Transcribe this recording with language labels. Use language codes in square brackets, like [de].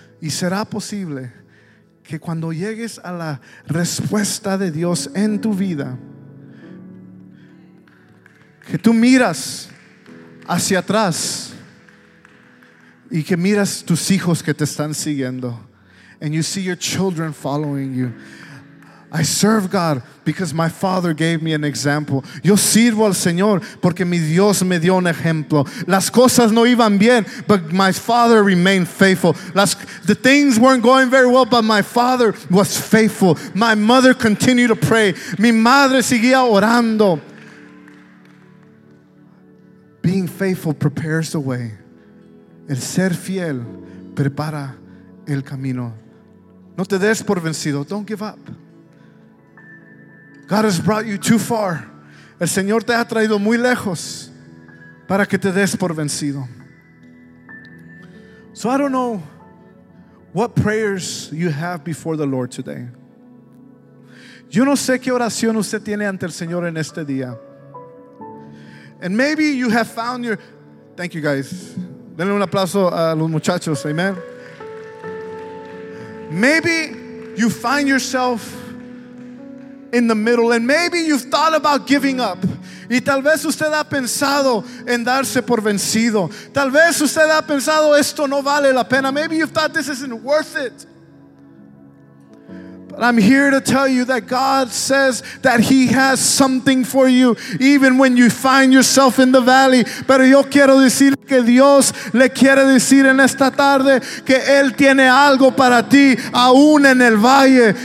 [es] Y será posible que cuando llegues a la respuesta de Dios en tu vida, que tú miras hacia atrás y que miras tus hijos que te están siguiendo. [en] And you see your children following you. I serve God because my father gave me an example. [es] Yo sirvo al Señor porque mi Dios me dio un ejemplo. Las cosas no iban bien, [en] but my father remained faithful. The things weren't going very well, but my father was faithful. My mother continued to pray. [es] Mi madre seguía orando. [en] Being faithful prepares the way. [es] El ser fiel prepara el camino. No te des por vencido. [en] Don't give up. God has brought you too far. [es] El Señor te ha traído muy lejos para que te des por vencido. [en] So I don't know what prayers you have before the Lord today. [es] Yo no sé qué oración usted tiene ante el Señor en este día. [en] And maybe you have found your... Thank you, guys. [es] Denle un aplauso a los muchachos. [en] Amen. Maybe you find yourself in the middle, and maybe you've thought about giving up. [es] Y tal vez usted ha pensado en darse por vencido. Tal vez usted ha pensado esto no vale la pena. [en] Maybe you've thought this isn't worth it. But I'm here to tell you that God says that He has something for you, even when you find yourself in the valley. [es] Pero yo quiero decir que Dios le quiere decir en esta tarde que Él tiene algo para ti, aún en el valle.